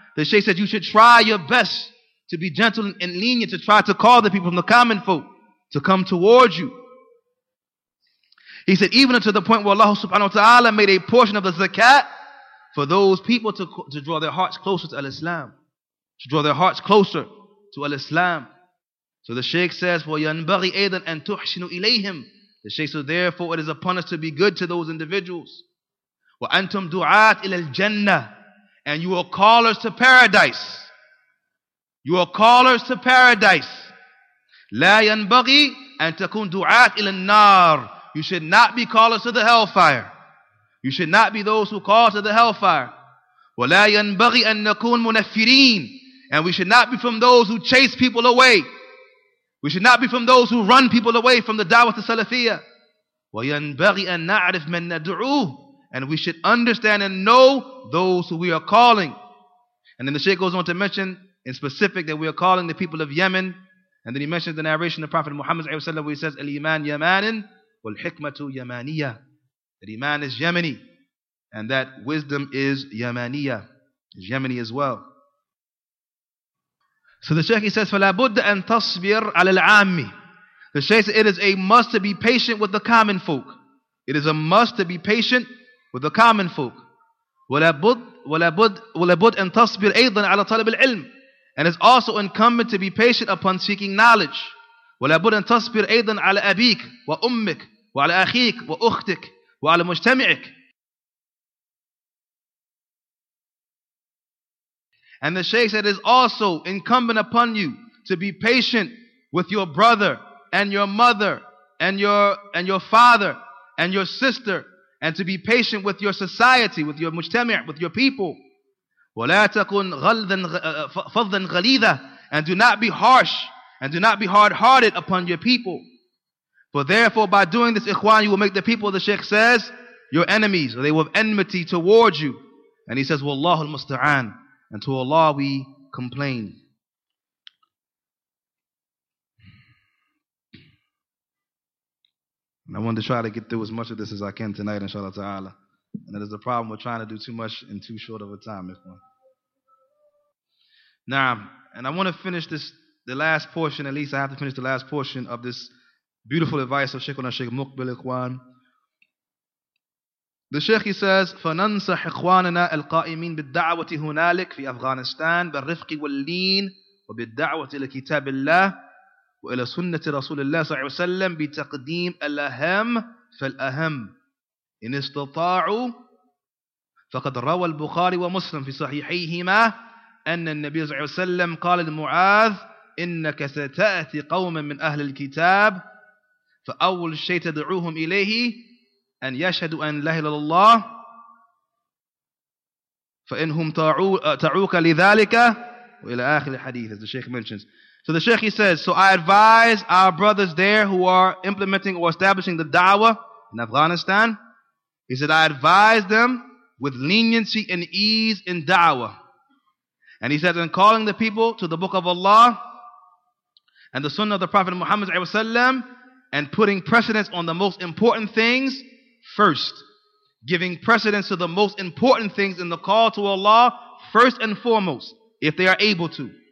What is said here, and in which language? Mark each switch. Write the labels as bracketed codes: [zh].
[en] The Shaykh says, you should try your best to be gentle and lenient, to try to call the people from the common folk to come towards you. He said, even to the point where Allah subhanahu wa ta'ala made a portion of the zakat for those people to draw their hearts closer to al-Islam. To draw their hearts closer to al-Islam. So the Shaykh says, [ar] وَيَنْبَغِي أَيْضًا أَن تُحْشِنُوا إِلَيْهِمْ. [en] The Shaykh says, therefore it is upon us to be good to those individuals. [ar] وَأَنْتُمْ دُعَاتِ إِلَى الْجَنَّةِ. [en] And you are callers to paradise. You are callers to paradise. [ar] لَا يَنْبَغِي أَن تَكُنْ دُعَاتِ إِلَى النَّارِ. [en] You should not be callers to the hellfire. You should not be those who call to the hellfire. [ar] وَلَا يَنْبَغِي أَن نَكُونَ مُنَفِّرِينَ. [en] And we should not be from those who chase people away. We should not be from those who run people away from the Dawah to Salafiyah. [ar] وَيَنْبَغِي أَن نَعْرِفْ مَن نَدْعُوهُ. [en] And we should understand and know those who we are calling. And then the Shaykh goes on to mention in specific that we are calling the people of Yemen. And then he mentions the narration of the Prophet Muhammad where he says, [ar] الْإِيمَانِ يَمَانٍ وَالْحِكْمَةُ يَمَانِيَّةِ. [en] That Iman is Yemeni and that wisdom is Yemaniyah, is Yemeni as well. So the Shaykh, he says, [ar] فَلَا بُدَّ أَن تَصْبِرْ عَلَى الْعَامِ. [en] The Shaykh says, it is a must to be patient with the common folk. It is a must to be patient with the common folk. [ar] وَلَا بُدَّ أَن تَصْبِرْ أَيْضًا عَلَى طَلَبِ الْعِلْمِ. [en] And it's also incumbent to be patient upon seeking knowledge. [ar] وَلَا بُدْ أَن تَصْبِرْ أَيْضًا عَلَىٰ أَبِيكَ وَأُمِّكَ. وعلى أخيك وأختك وعلى مجتمعك. [en] And the Shaykh said, it's also incumbent upon you to be patient with your brother and your mother and your father and your sister, and to be patient with your society, with your mujtami', with your people. [ar] وَلَا تَكُنْ فَضًّا غَلِيذًا. [en] And do not be harsh, and do not be hard-hearted upon your people. For therefore, by doing this, ikhwan, you will make the people, the Shaykh says, your enemies, or they will have enmity towards you. And he says, [ar] وَاللَّهُ الْمُسْتَعَانِ. [en] And to Allah we complain. And I wanted to try to get through as much of this as I can tonight, inshallah ta'ala. And that is the problem with trying to do too much in too short of a time. Now, and I want to finish this, the last portion, at least I have to finish the last portion of this beautiful advice of Shaykhuna Shaykh Muqbil Ikhwan. The Shaykh, he says, [ar] فَنَنْصَحْ إِخْوَانَنَا الْقَائِمِينَ بِالدَّعْوَةِ هُنَالِكَ فِي أَفْغَانِسْتَانَ بِالرِّفْقِ وَاللِّينَ وَبِالدَّعْوَةِ لِكِتَابِ اللَّهِ وَإِلَى سُنَّةِ رَسُولِ اللَّهِ صَلَّى اللَّهُ عَلَيْهِ وَسَلَّمَ بِتَقْدِيمِ الْأَهَمِ فَالْأَهَمِ إِنِ اسْتَطَاعُوا فَقَدْ رَوَى الْبُخَارِي وَمُسْلِمٌ فِي صَحِيحَيْهِمَا أَنَّ النَّبِيَّ صَلَّى اللَّهُ عَلَيْهِ وَسَلَّمَ قَالَ لِمُعَاذٍ إِنَّكَ سَتَأْتِي قَوْمًا مِنْ أَهْلِ الْكِتَابِ فَأَوَّلُ شَيْءٍ تَدْعُوهُمْ إِلَيْهِ أن يشهدوا أن لا إله إلا الله فإنهم تعوك لذلك وإلى آخر الحديث, [en] as the Shaykh mentions. So the Shaykh, he says, so I advise our brothers there who are implementing or establishing the da'wah in Afghanistan. He said, I advise them with leniency and ease in da'wah. And he said, in calling the people to the Book of Allah and the Sunnah of the Prophet Muhammad ﷺ, and putting precedence on the most important things first, giving precedence to the most important things in the call to Allah first and foremost, if they are able to.